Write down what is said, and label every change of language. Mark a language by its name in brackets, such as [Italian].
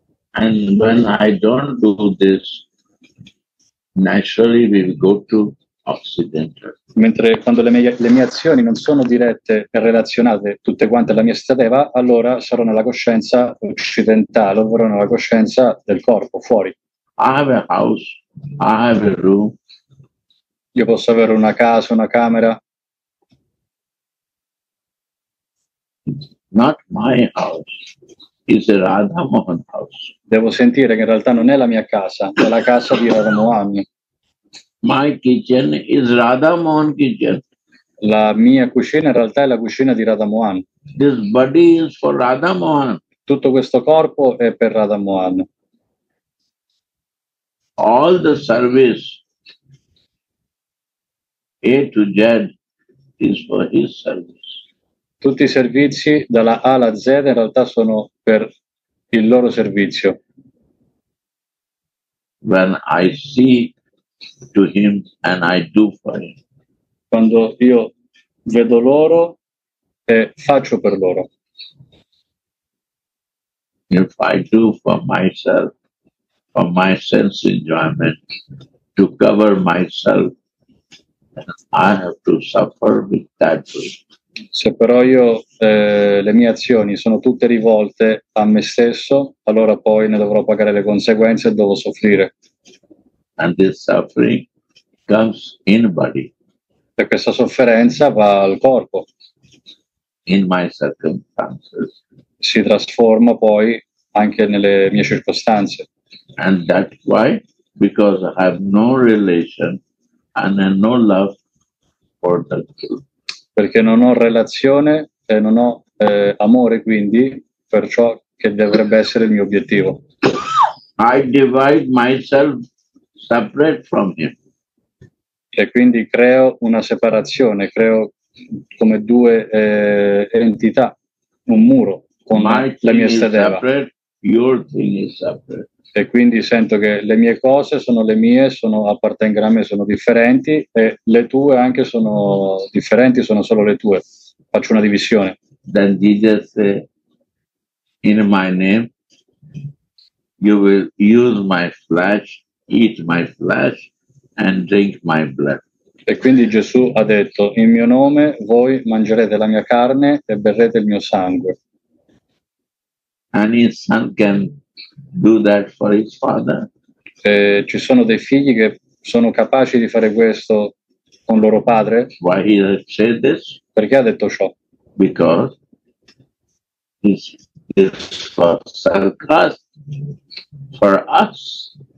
[English] And when I don't do this, naturally we go to occidental. [Italian] Mentre quando le mie azioni non sono dirette e relazionate tutte quante alla mia stateva, allora sarò nella coscienza occidentale, ovvero nella coscienza del corpo, fuori. [English] I have a house, I have a room. [Italian] Io posso avere una casa, una camera. [English] Not my house. Is a Radha Mohan house. [Italian] Devo sentire che in realtà non è la mia casa, è la casa di Radha Mohan. [English] My kitchen is Radha Mohan kitchen. [Italian] La mia cucina in realtà è la cucina di Radha Mohan. [English] This body is for Radha Mohan. [Italian] Tutto questo corpo è per Radha Mohan. [English] All the service A to Z is for his service. [Italian] Tutti i servizi dalla A alla Z in realtà sono per il loro servizio. [English] When I see to him and I do for him. [Italian] Quando io vedo loro e faccio per loro. [English] If I do for myself, for my sense enjoyment, to cover myself, then I have to suffer with that too. [Italian] Se però io le mie azioni sono tutte rivolte a me stesso, allora poi ne dovrò pagare le conseguenze e devo soffrire. [English] And this suffering comes in body. [Italian] E questa sofferenza va al corpo. [English] In my circumstances. [Italian] Si trasforma poi anche nelle mie circostanze. [English] And that's why? Because I have no relation and no love for the truth. [Italian] Perché non ho relazione e non ho amore, quindi, per ciò che dovrebbe essere il mio obiettivo. [English] I divide myself separate from him. [Italian] E quindi creo una separazione, creo come due entità, un muro con la mia sedera. [English] Your thing is separate. [Italian] E quindi sento che le mie cose sono le mie, sono appartengono a me, sono differenti, e le tue anche sono differenti, sono solo le tue. Faccio una divisione. [English] Then Jesus said, in my name, you will use my flesh, eat my flesh, and drink my blood. [Italian] E quindi Gesù ha detto, in mio nome voi mangerete la mia carne e berrete il mio sangue. [English] Any son can do that for his father. [Italian] Ci sono dei figli che sono capaci di fare questo con loro padre? [English] Why he said this? [Italian] Perché ha detto ciò? [English] Because it's for sacrifice for us.